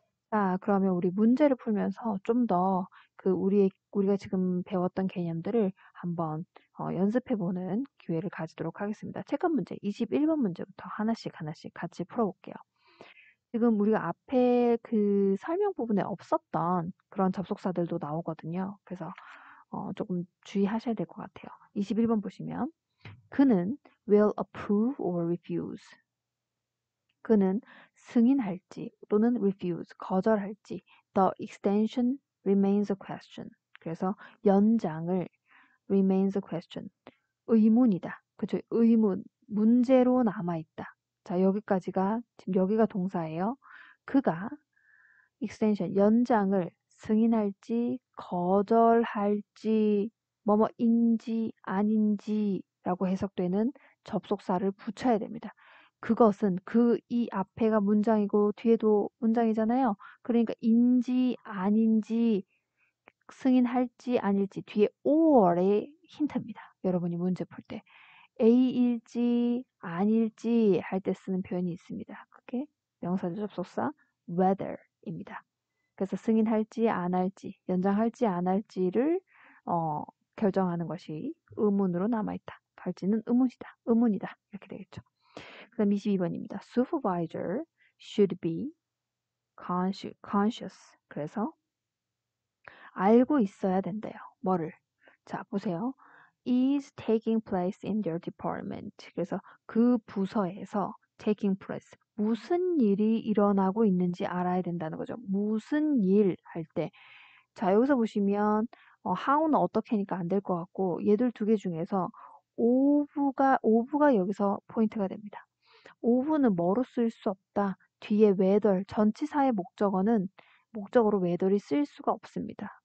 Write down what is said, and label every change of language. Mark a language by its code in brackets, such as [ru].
[ko] 자, 그러면 우리 문제를 풀면서 좀더그 우리가 지금 배웠던 개념들을 한번 연습해 보는 기회를 가지도록 하겠습니다. 체감 문제 21번 문제부터 하나씩 같이 풀어볼게요. 지금 우리가 앞에 그 설명 부분에 없었던 그런 접속사들도 나오거든요. 그래서 조금 주의하셔야 될것 같아요. 21번 보시면 그는 [en] will approve or refuse. [ko] 그는 승인할지 또는 refuse, 거절할지 [en] the extension remains a question. [ko] 그래서 연장을 [en] remains a question, [ko] 의문이다. 그렇죠? 의문, 문제로 남아있다. 자, 여기까지가 지금 여기가 동사예요. 그가 extension, 연장을 승인할지 거절할지 뭐뭐인지 아닌지라고 해석되는 접속사를 붙여야 됩니다. 그것은 그이 앞에가 문장이고 뒤에도 문장이잖아요. 그러니까 인지 아닌지 승인할지 아닐지 뒤에 or의 힌트입니다. 여러분이 문제 풀때 A일지 아닐지 할때 쓰는 표현이 있습니다. 그게 명사절 접속사 whether입니다. 그래서 승인할지 안 할지 연장할지 안 할지를 결정하는 것이 의문으로 남아있다. 할지는 의문이다. 이렇게 되겠죠. 그럼 22번입니다. [en] Supervisor should be conscious. [ko] 그래서 알고 있어야 된대요. 뭐를? 자, 보세요. [en] Is taking place in their department. [ko] 그래서 그 부서에서 [en] taking place. [ko] 무슨 일이 일어나고 있는지 알아야 된다는 거죠. 무슨 일할 때. 자, 여기서 보시면 how는 어떻게니까 안될것 같고 얘들 두개 중에서 오브가 여기서 포인트가 됩니다. 오브는 뭐로 쓸수 없다. 뒤에 whether 전치사의 목적으로 whether이 쓸 수가 없습니다.